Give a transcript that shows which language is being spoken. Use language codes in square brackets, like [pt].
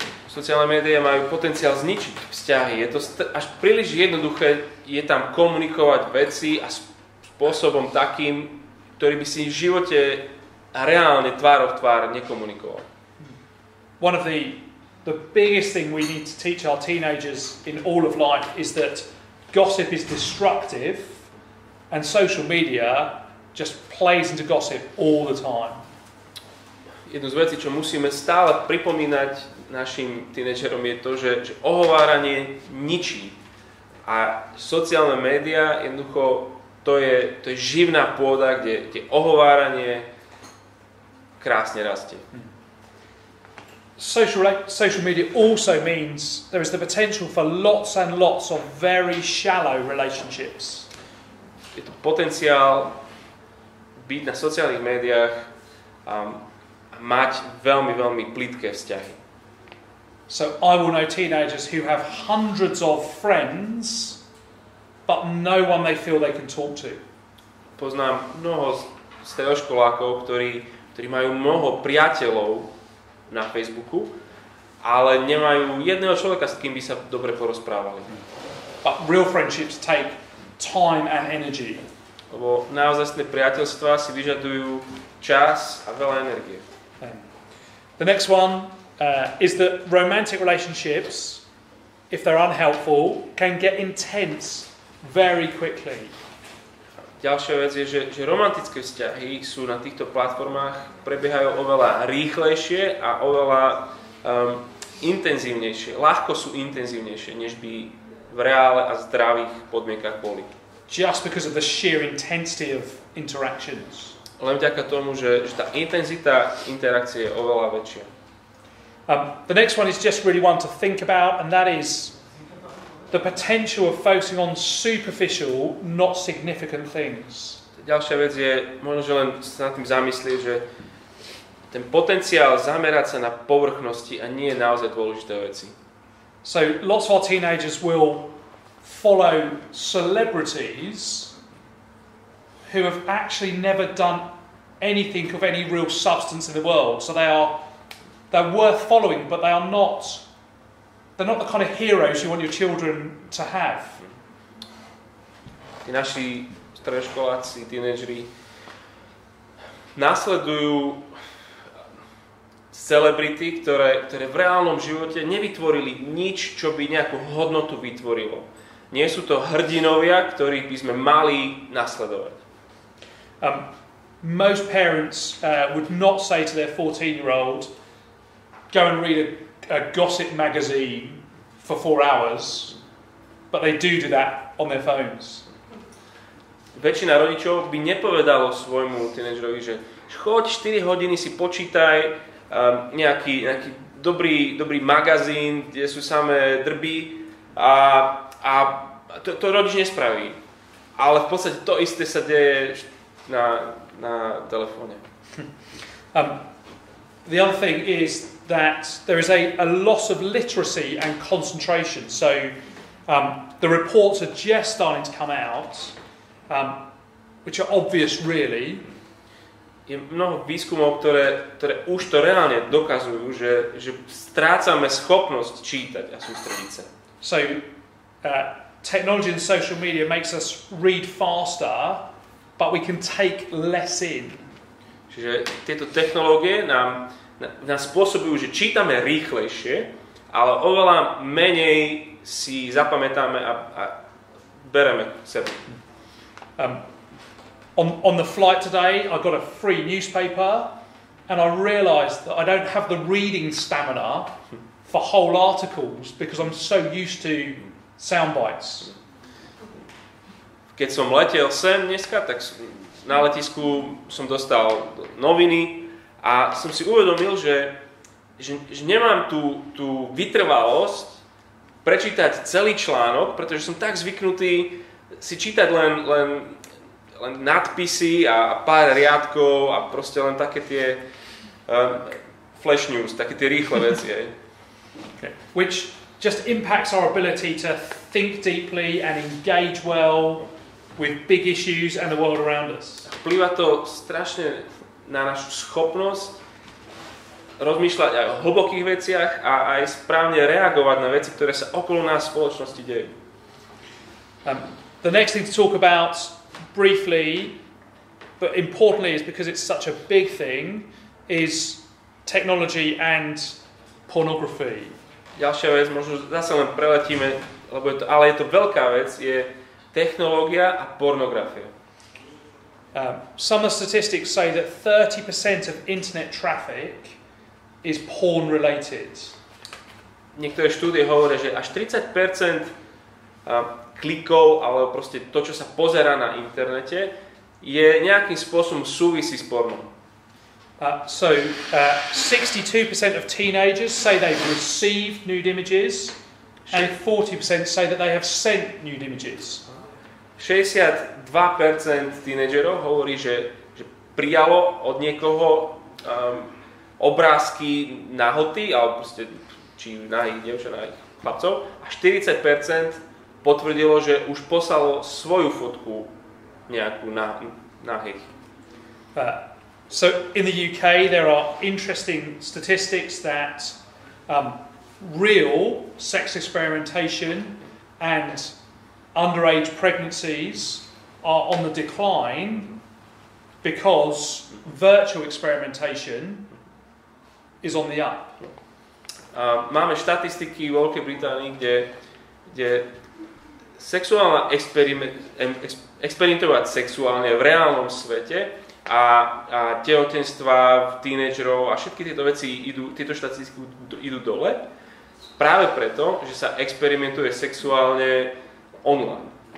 [sk] Sociálne médiá majú potenciál zničiť vzťahy. Je to až príliš jednoduché je tam komunikovať veci a spôsobom takým, ktorý by si v živote reálne tvár v tvár nekomunikoval. [en] One of the biggest thing we need to teach our teenagers in all of life is that gossip is destructive. And social media just plays into gossip all the time. [sk] Jedna z vecí, čo musíme stále pripomínať našim tínedžerom, je to, že ohováranie ničí. A sociálne médiá, jednoducho, to je živná pôda, kde ohováranie krásne rastie. [en] Social media also means there is the potential for lots and lots of very shallow relationships. [sk] Je to potenciál byť na sociálnych médiách a mať veľmi, veľmi plitké vzťahy. [en] So I will know teenagers who have hundreds of friends, but no one they feel they can talk to. [sk] Poznám mnoho stredoškolákov, ktorí majú mnoho priateľov na Facebooku, ale nemajú jedného človeka, s kým by sa dobre porozprávali. [en] But real friendships take time and energy. [sk] Lebo naozajstné priateľstvá si vyžadujú čas a veľa energie. [en] The next one is that romantic relationships, if they're unhelpful, can get intense very quickly. [sk] Ďalšia vec je, že romantické vzťahy sú na týchto platformách, prebiehajú oveľa rýchlejšie a oveľa intenzívnejšie. Ľahko sú intenzívnejšie, než by v reále a zdravých podmienkach boli. [en] Just because of the sheer intensity of interactions. [sk] Len vďaka tomu, že tá intenzita interakcie je oveľa väčšia. [en] The next one is just really one to think about, and that is the potential of focusing on superficial, not significant things. [sk] Ďalšia vec je, možno že len sa nad tým zamyslieť, že ten potenciál zamerať sa na povrchnosti a nie naozaj dôležité veci. [en] So lots of our teenagers will follow celebrities who have actually never done anything of any real substance in the world. So they're worth following, but they are not, they're not the kind of heroes you want your children to have. [sk] Tí naši stredoškoláci, tínedžeri nasledujú celebrity, ktoré v reálnom živote nevytvorili nič, čo by nejakú hodnotu vytvorilo. Nie sú to hrdinovia, ktorých by sme mali nasledovať. [en] Most parents would not say to their 14-year-old, go and read a gossip magazine for 4 hours, but they do that on their phones. [sk] Väčšina rodičov by nepovedalo svojmu tínedžerovi, že choď 4 hodiny si počítaj nejaký dobrý magazín, kde sú samé drby, a to rodič nespraví. Ale v podstate to isté sa deje na telefóne. [en] The other thing is that there is a loss of literacy and concentration. So the reports are just starting to come out, which are obvious really. [sk] Je mnoho výskumov, ktoré už to reálne dokazujú, že strácame schopnosť čítať a sústrediť sa. [en] So technology and social media makes us read faster, but we can take less in. [sk] Čiže tieto technológie nás spôsobujú, že čítame rýchlejšie, ale oveľa menej si zapamätáme a bereme sebe. [en] On the flight today, I got a free newspaper and I realized that I don't have the reading stamina for whole articles because I'm so used to sound bites. [sk] Keď som letel sem dneska, tak na letisku som dostal noviny a som si uvedomil, že nemám tú vytrvalosť prečítať celý článok, pretože som tak zvyknutý si čítať len nadpisy a pár riadkov a proste len také tie flash news, také tie rýchle veci. [en] Okay. Which just impacts our ability to think deeply and engage well with big issues and the world around us. [sk] Vplýva to strašne na našu schopnosť rozmýšľať aj o hlbokých veciach a aj správne reagovať na veci, ktoré sa okolo nás v spoločnosti dejú. [en] The next thing to talk about briefly, but importantly is because it's such a big thing, is technology and pornography. [sk] Ďalšia vec, možno zase len preletíme, lebo je to, ale je to veľká vec, je technológia a pornografia. [en] Some statistics say that 30% of internet traffic is porn related. [sk] Niektoré štúdie hovoria, že až 30% klikov, alebo proste to, čo sa pozerá na internete, je nejakým spôsobom súvisí s pornom. [en] So 62% of teenagers say they've received nude images and 40% say that they have sent nude images. [sk] 62% tínedžerov hovorí, že prijalo od niekoho obrázky nahoty, alebo proste, či nahých dievčat, nahých chlapcov, a 40% potvrdilo, že už poslalo svoju fotku nejakú nahých. [en] So in the UK there are interesting statistics that real sex experimentation and underage pregnancies are on the decline because virtual experimentation is on the up. [sk] Máme štatistiky v Veľkej Británii, kde sexuálna experimentovať sexuálne v reálnom svete a tehotenstva tínedžerov a všetky tieto veci idú, tieto štatistiky idú dole práve preto, že sa experimentuje sexuálne online.